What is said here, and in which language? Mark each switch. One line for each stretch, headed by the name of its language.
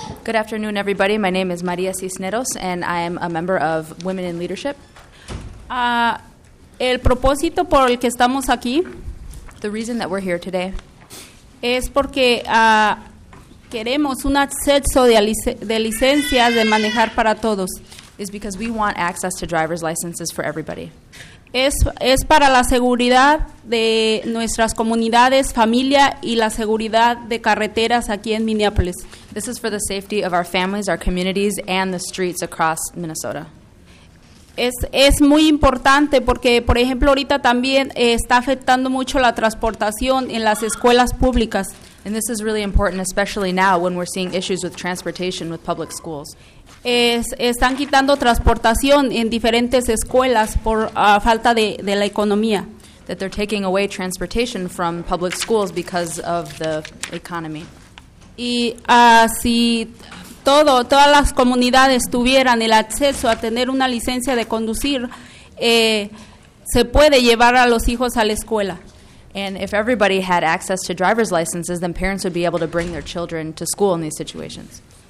English: Good afternoon, everybody. My name is María Cisneros, and I am a member of Women in Leadership.
Spanish: El propósito por el que estamos aquí,
English: the reason that we're here today,
Spanish: es porque queremos un acceso de licencias de manejar para todos.
English: Is because we want access to driver's licenses for everybody.
Spanish: Es para la seguridad de nuestras comunidades, familia y la seguridad de carreteras aquí en Minneapolis.
English: This is for the safety of our families, our communities, and the streets across Minnesota.
Spanish: Es muy importante porque, por ejemplo, ahorita también está afectando mucho la transportación en las escuelas públicas.
English: And this is really important, especially now when we're seeing issues with transportation with public schools.
Spanish: Están quitando transportación en diferentes escuelas por falta de la economía.
English: That they're taking away transportation from public schools because of the economy.
Spanish: Y si todas las comunidades tuvieran el acceso a tener una licencia de conducir, se puede llevar a los hijos a la escuela.
English: And if everybody had access to driver's licenses, then parents would be able to bring their children to school in these situations.